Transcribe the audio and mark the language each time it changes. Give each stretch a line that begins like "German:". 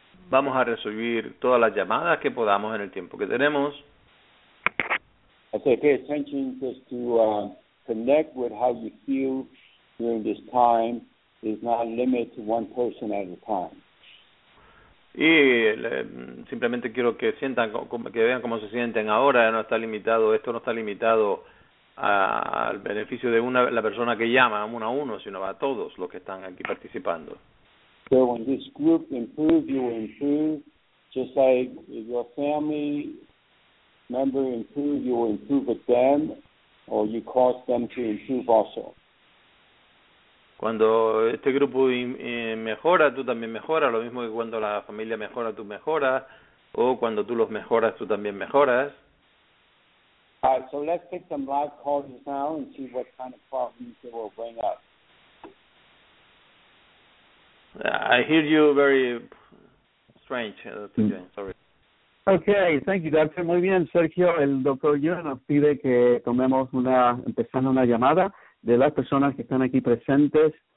Spanish: Vamos a recibir todas las llamadas que podamos en el tiempo que tenemos.
English: Okay, pay attention just to connect with how you feel during this time. It's not limited to one person at a time.
Spanish: Y simplemente quiero que sientan, que vean cómo se sienten ahora. No está limitado, esto no está limitado al beneficio de la persona que llama, uno a uno, sino a todos los que están aquí participando.
English: So when this group improves, you will improve. Just like if your family member improves, you will improve with them, or you cause them to improve also.
Spanish: Cuando este grupo mejora, tú también mejoras. Lo mismo que cuando la familia mejora, tú mejoras. O cuando tú los mejoras, tú también mejoras.
English: All right, so let's take some live calls now and see what kind of problems they will bring up. I hear you very strange, Dr. Yuen. Sorry. Okay, thank you, doctor.
Spanish: Muy bien, Sergio. El doctor Yuen nos pide que tomemos empezando una llamada de las personas que están aquí presentes.